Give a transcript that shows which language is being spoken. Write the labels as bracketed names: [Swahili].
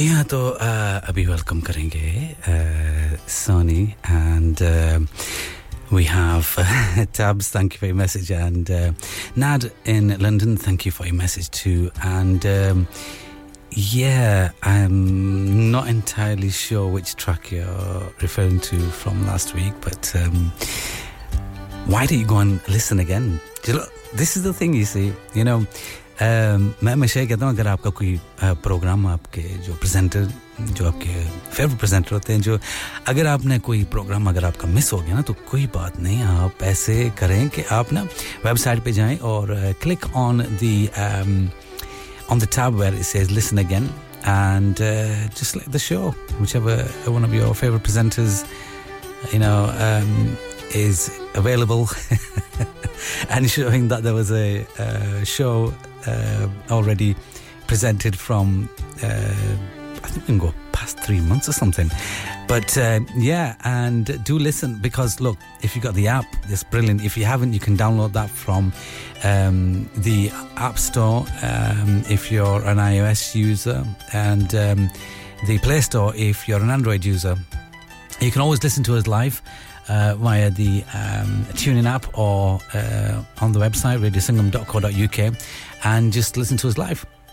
[Hindi] तो अभी वेलकम करेंगे Soni and [English] we have Tabs, thank you for your message, and Nad in London, thank you for your message too. And I'm not entirely sure which track you're referring to from last week, but why don't you go and listen again? This is the thing, you see, you know, [Hindi] मैं मशहूर कहता हूँ अगर आपका कोई programme आपके जो presenter जो आपके फेवरेट प्रेजेंटर होते हैं जो अगर आपने कोई प्रोग्राम अगर आपका मिस हो गया ना तो कोई बात नहीं आप ऐसे करें कि आप ना वेबसाइट पे जाएं और [English] Click on the tab where it says listen again and just like the show whichever one of your favourite presenters you know is available and showing that there was a show already presented from I think we can go past 3 months or something, but and do listen, because look, if you've got the app, it's brilliant. If you haven't, you can download that from the App Store if you're an iOS user, and the Play Store if you're an Android user. You can always listen to us live via the tuning app or on the website radiosingham.co.uk, and just listen to us live.